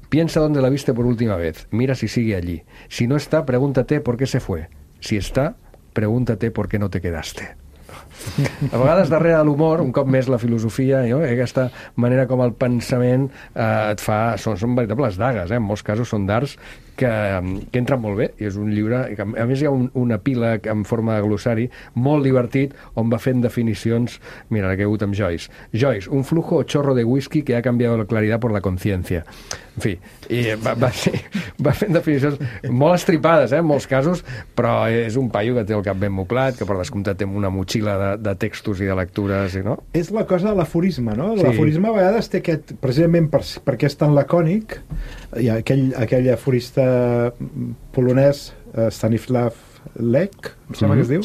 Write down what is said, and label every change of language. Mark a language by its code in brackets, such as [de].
[es] Piensa dónde la viste por última vez. Mira si sigue allí. Si no está, pregúntate por qué se fue. Si está, pregúntate por qué no te quedaste. [ca] A vegades darrere de l'humor, un cop més la filosofia, no? Aquesta manera com el pensament et fa... Són veritables dagues, en molts casos són d'arts que entren molt bé, i és un llibre que, a més, hi ha un epíleg en forma de glossari molt divertit, on va fent definicions. Mira, l'ha caigut amb Joyce. [es] Joyce, un flujo o chorro de whisky que ha canviado la claridad por la conciencia. [ca] En fi, i va fent definicions molt estripades, en molts casos, però és un paio que té el cap ben moblat, que per descomptat té una motxilla de textos i de lectures, no? És la cosa de l'aforisme, no? Sí. L'aforisme a vegades té aquest, precisament perquè és tan lacònic, hi ha aquell aforisme polonès, Stanislav Lech, em sembla que es diu,